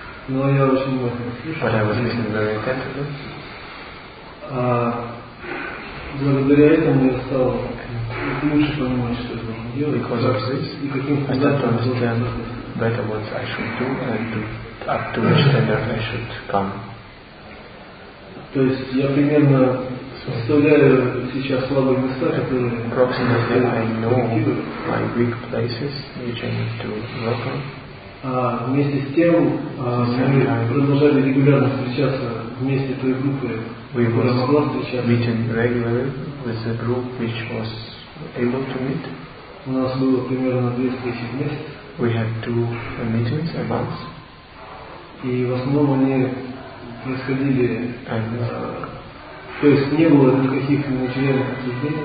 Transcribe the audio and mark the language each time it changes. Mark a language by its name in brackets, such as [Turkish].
[English] But I was listening very attentively. Because of this, I started to understand better what I should do and to, up to which standard I should come. [Russian] То есть я примерно представляю сейчас слабые места, которые [English] approximately I know my weak places, which I need to work on. [Russian] Вместе с тем мы продолжали регулярно встречаться вместе той группой, [English] we were meeting regularly with a group which was able to meet. [Russian] У нас было примерно 2 встречи в месяц. [English] We had 2 meetings a month. [Russian] И в основном они происходили, то есть не было никаких менеджерных обсуждений.